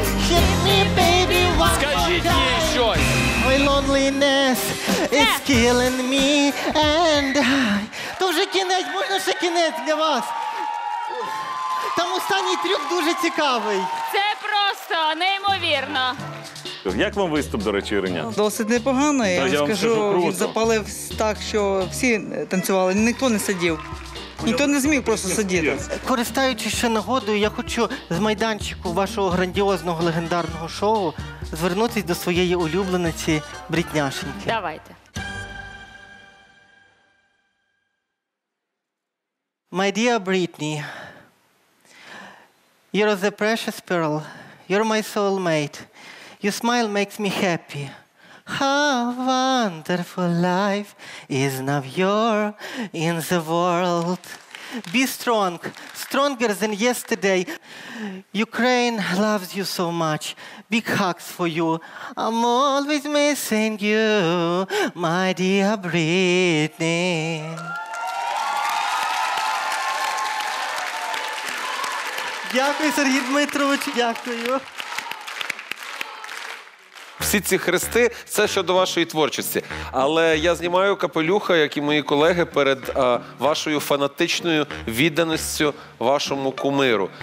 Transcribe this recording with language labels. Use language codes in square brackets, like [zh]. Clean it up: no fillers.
[en] Hit me, baby, one more time. My loneliness is killing me and I. [uk] То вже кінець, можна ще кінець для вас? Там останній трюк дуже цікавий. Це просто неймовірно. Як вам виступ, до речі, Іриня? Досить непогано, я вам скажу. Він запалив так, що всі танцювали, ніхто не сидів. Ніхто не зміг просто сидіти. Користуючись ще нагодою, я хочу з майданчику вашого грандіозного легендарного шоу звернутися до своєї улюблениці Брітняшеньки. Давайте. [en] My dear Britney, you're the precious pearl. You're my soulmate. Your smile makes me happy. How wonderful life is now you're in the world. Be strong, stronger than yesterday. Ukraine loves you so much. Big hugs for you. I'm always missing you, my dear Britney. [uk] Дякую, Сергій Дмитрович, дякую. Всі ці хрести – це щодо вашої творчості. Але я знімаю капелюха, як і мої колеги, перед вашою фанатичною відданістю вашому кумиру.